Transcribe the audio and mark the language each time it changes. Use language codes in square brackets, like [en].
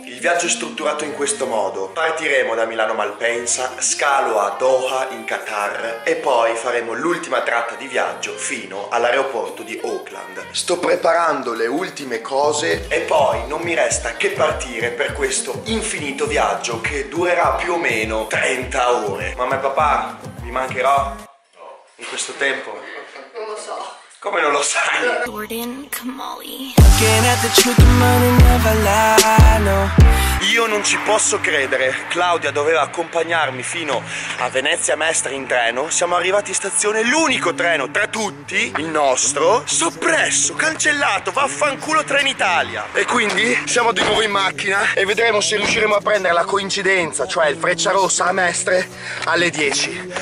[it] Il viaggio è strutturato in questo modo: partiremo da Milano Malpensa, scalo a Doha in Qatar e poi faremo l'ultima tratta di viaggio fino all'aeroporto di Auckland. Sto preparando le ultime cose e poi non mi resta che partire per questo infinito viaggio che durerà più o meno 30 ore. Mamma e papà, vi mancherò in questo tempo? Come non lo sai? Jordan Kamali. [en] Looking at the truth, the money never lie, no. [it] Io non ci posso credere, Claudia doveva accompagnarmi fino a Venezia Mestre in treno. Siamo arrivati in stazione, l'unico treno tra tutti, il nostro, soppresso, cancellato, vaffanculo Trenitalia. E quindi siamo di nuovo in macchina e vedremo se riusciremo a prendere la coincidenza, cioè il Frecciarossa a Mestre alle 10.